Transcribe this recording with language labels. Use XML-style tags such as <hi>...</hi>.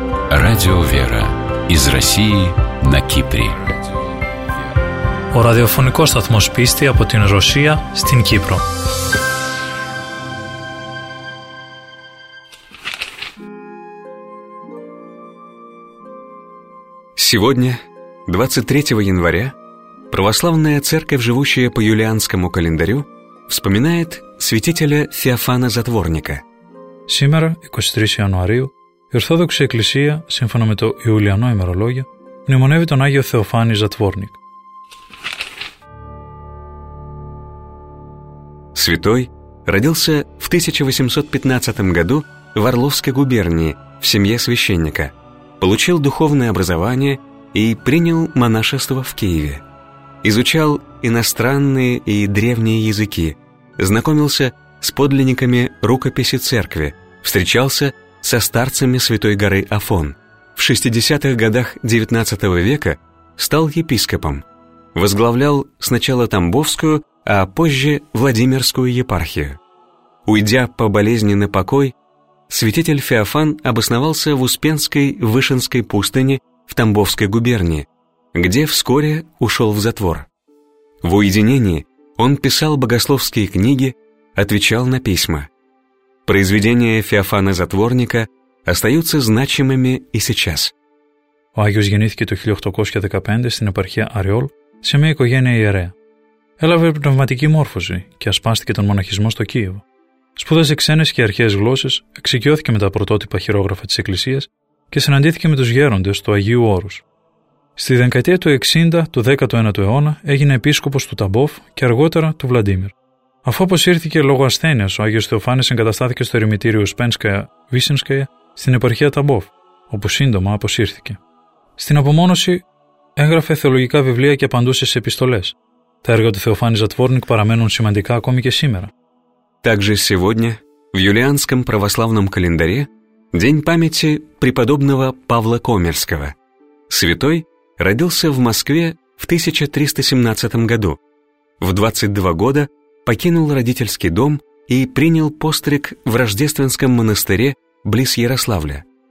<ru>Радио «Вера» из России на Кипре.</ru> <el>Ο ραδιοφωνικός σταθμός πίστη από την Ρωσία στην Κύπρο.</el> <ru>Сегодня, 23 января, православная церковь, живущая по юлианскому календарю, вспоминает святителя Феофана Затворника. Сегодня, 23 января,</ru> <el>η Ορθόδοξη Εκκλησία, σύμφωνα με το Ιουλιανό ημερολόγιο, μνημονεύει τον Άγιο Θεοφάνη Ζατβόρνικ.</el> <ru>Святой родился в 1815 году в Орловской губернии в семье священника, получил духовное образование и принял монашество в Киеве. Изучал иностранные и древние языки, знакомился с подлинниками рукописи церкви, встречался со старцами Святой горы Афон. В 60-х годах XIX века стал епископом. Возглавлял сначала Тамбовскую, а позже Владимирскую епархию. Уйдя по болезни на покой, святитель Феофан обосновался в Успенской Вышинской пустыне в Тамбовской губернии, где вскоре ушел в затвор. В уединении он писал богословские книги, отвечал на письма. Произведения Феофана Затворника остаются значимыми и сейчас.</ru> <el>Ο Άγιος γεννήθηκε το 1815 στην επαρχία Αριόλ σε μια οικογένεια ιερέα. Έλαβε πνευματική μόρφωση και ασπάστηκε τον μοναχισμό στο Κίεβο. Σπούδασε ξένες και αρχαίες γλώσσες, εξοικειώθηκε με τα πρωτότυπα χειρόγραφα της Εκκλησίας και συναντήθηκε με τους γέροντες του Αγίου Όρους. Στη δεκαετία του 60 του 19ου αιώνα έγινε επίσκοπος του Ταμπόφ και αργότερα του Βλαντίμιρ. Αφού αποσύρθηκε λόγω ασθένειας, ο Άγιος Θεοφάνης εγκαταστάθηκε στο ερημητήριο Σπένσκαια Βίσινσκαια στην επαρχία Ταμπόφ, όπου σύντομα αποσύρθηκε. Στην απομόνωση έγραφε θεολογικά βιβλία και απαντούσε σε επιστολές. Τα έργα του Θεοφάνη Ζατβόρνικ παραμένουν σημαντικά ακόμη και σήμερα.</el> <ru>Также сегодня в юлианском православном календаре день памяти преподобного Павла Комерского. Святой родился в Москве в 1317 году. В 22 года покинул родительский дом и принял постриг в Рождественском монастыре близ Ярославля.</ru>